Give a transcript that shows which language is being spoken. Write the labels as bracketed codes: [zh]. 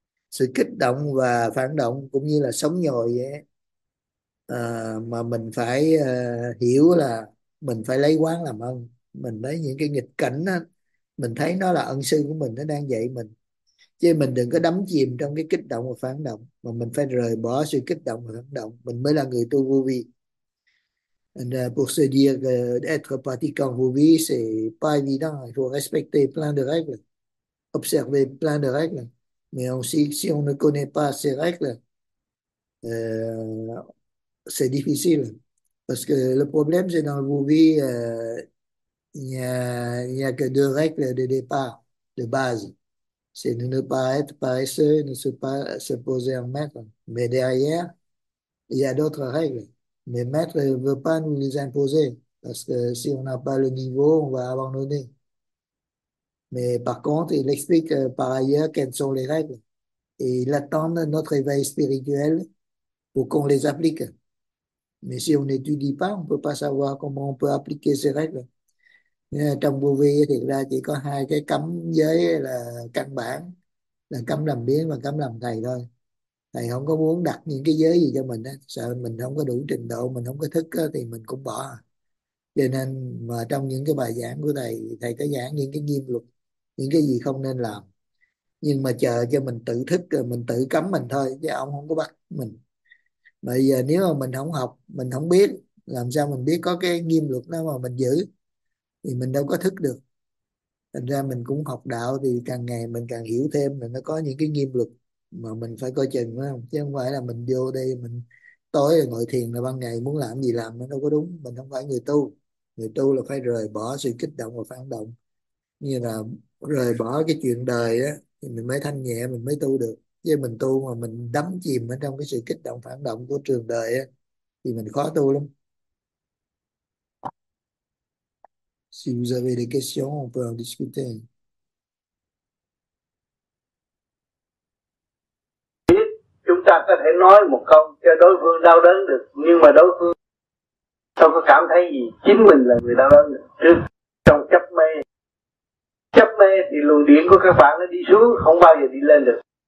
[vi] Sự kích động và phản động cũng như là sóng nhồi vậy, mà mình phải hiểu là mình phải lấy quán làm ân, mình lấy những cái nghịch cảnh đó, mình thấy nó là ân sư của mình, nó đang dạy mình. Chứ mình đừng có đắm chìm trong cái kích động và phản động, mà mình phải rời bỏ sự kích động và phản động, mình mới là người tu vô vi. [fr] And pour se dire d'être pratiquant vô vi, c'est pas évident. Il faut respecter plein de règles, observer plein de règles. Mais aussi, si on ne connaît pas ces règles, c'est difficile. Parce que le problème, c'est dans le vovi, il n'y a que deux règles de départ, de base. C'est de ne pas être paresseux, ne se pas se poser en maître. Mais derrière, il y a d'autres règles. Mais maître ne veut pas nous les imposer. Parce que si on n'a pas le niveau, on va abandonner. Mais par contre, il explique par ailleurs quelles sont les règles. Et il attend notre éveil spirituel pour qu'on les applique. Mais si on n'étudie pas, on ne peut pas savoir comment on peut appliquer ces règles. [vi] Trong vô vi thì ra chỉ có hai cái cấm giới là căn bản, là cấm làm biến và cấm làm thầy thôi. Thầy không có muốn đặt những cái giới gì cho mình á, sợ mình không có đủ trình độ, mình không có thức á, thì mình cũng bỏ. Cho nên mà trong những cái bài giảng của thầy, thầy có giảng những cái nghiêm luật, những cái gì không nên làm, nhưng mà chờ cho mình tự thức, mình tự cấm mình thôi, chứ ông không có bắt mình. Bây giờ nếu mà mình không học, mình không biết, làm sao mình biết có cái nghiêm luật đó mà mình giữ, thì mình đâu có thức được. Thành ra mình cũng học đạo thì càng ngày mình càng hiểu thêm là nó có những cái nghiêm luật mà mình phải coi chừng, phải không? Chứ không phải là mình vô đây mình tối rồi ngồi thiền là ban ngày muốn làm gì làm, nó đâu có đúng. Mình không phải người tu. Người tu là phải rời bỏ sự kích động và phản động, như là rời bỏ cái chuyện đời đó, thì mình mới thanh nhẹ, mình mới tu được. Chứ mình tu mà mình đắm chìm ở trong cái sự kích động phản động của trường đời đó, thì mình khó tu lắm. [fr] Si vous avez des questions, on peut en discuter. [vi] Chúng ta có thể nói một câu cho đối phương đau đớn được, nhưng mà đối phương không có cảm thấy gì, chính mình là người đau đớn được. Trong chấp mê, chấp mê thì luồng điện của các bạn nó đi xuống, không bao giờ đi lên được.